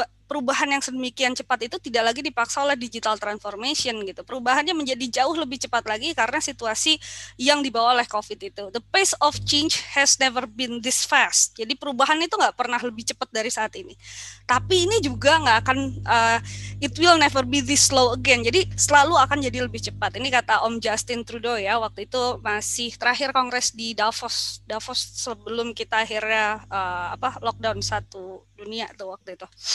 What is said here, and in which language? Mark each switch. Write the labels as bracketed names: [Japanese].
[Indonesian] perubahan yang sedemikian cepat itu tidak lagi dipaksa oleh digital transformation gitu. Perubahannya menjadi jauh lebih cepat lagi karena situasi yang dibawa oleh COVID itu. [English] The pace of change has never been this fast. [Indonesian] Jadi perubahan itu nggak pernah lebih cepat dari saat ini. Tapi ini juga nggak akan, [English] it will never be this slow again. [Indonesian] Jadi selalu akan jadi lebih cepat. Ini kata Om Justin Trudeau ya, waktu itu masih terakhir kongres di Davos sebelum kita akhirnya lockdown satu dunia tuh waktu itu.